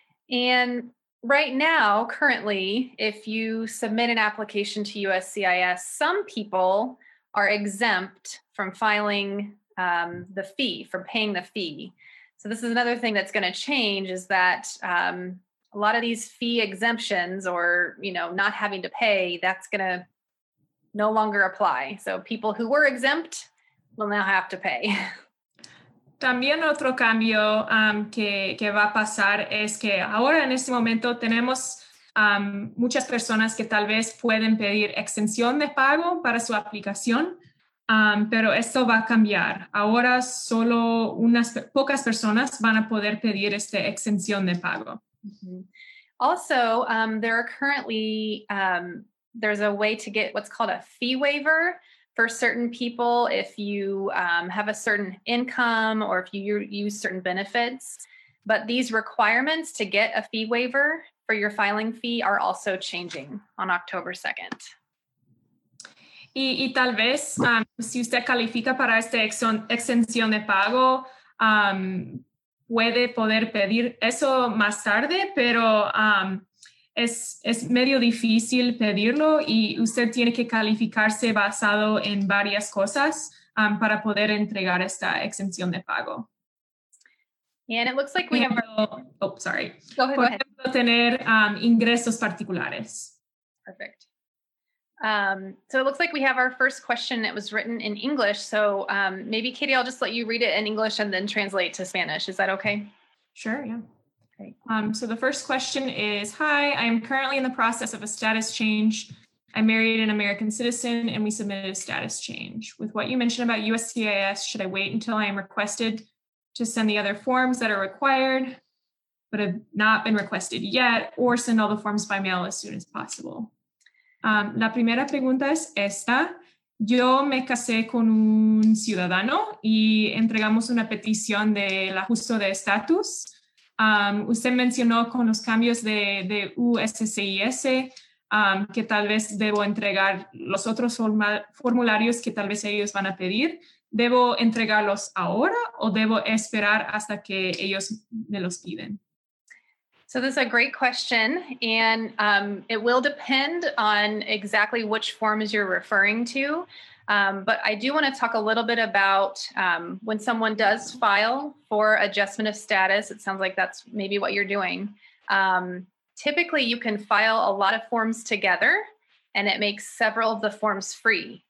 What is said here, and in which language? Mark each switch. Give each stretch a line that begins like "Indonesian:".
English: And right now, currently, if you submit an application to USCIS, some people are exempt from filing paying the fee. So this is another thing that's going to change is that a lot of these fee exemptions or, you know, not having to pay, that's going to no longer apply. So people who were exempt will now have to pay.
Spanish: También otro cambio que va a pasar es que ahora en este momento tenemos muchas personas que tal vez pueden pedir exención de pago para su aplicación, pero esto va a cambiar. Ahora solo unas pocas personas van a poder pedir esta exención de pago. Mm-hmm.
English: Also, there are currently there's a way to get what's called a fee waiver for certain people if you have a certain income or if you use certain benefits. But these requirements to get a fee waiver for your filing fee are also changing on October 2nd.
Spanish: Y tal vez si usted califica para esta exención de pago, puede poder pedir eso más tarde, pero es medio difícil pedirlo y usted tiene que calificarse basado en varias cosas para poder entregar esta exención de pago.
English: And it looks like we have...
Spanish: Por ejemplo, tener ingresos particulares.
English: Perfect. So it looks like we have our first question. It was written in English. So maybe, Katie, I'll just let you read it in English and then translate to Spanish. Is that okay? Sure, yeah. So the first question is, hi, I am currently in the process of a status change. I married an American citizen and we submitted a status change. With what you mentioned about USCIS, should I wait until I am requested to send the other forms that are required but have not been requested yet or send all the forms by mail as soon as possible?
Spanish: La primera pregunta es esta. Yo me casé con un ciudadano y entregamos una petición del ajuste de estatus. Usted mencionó con los cambios de USCIS que tal vez debo entregar los otros formularios que tal vez ellos van a pedir. ¿Debo entregarlos ahora o debo esperar hasta que ellos me los piden?
English: So this is a great question, and it will depend on exactly which forms you're referring to. But I do want to talk a little bit about when someone does file for adjustment of status. It sounds like that's maybe what you're doing. Typically, you can file a lot of forms together, and it makes several of the forms free.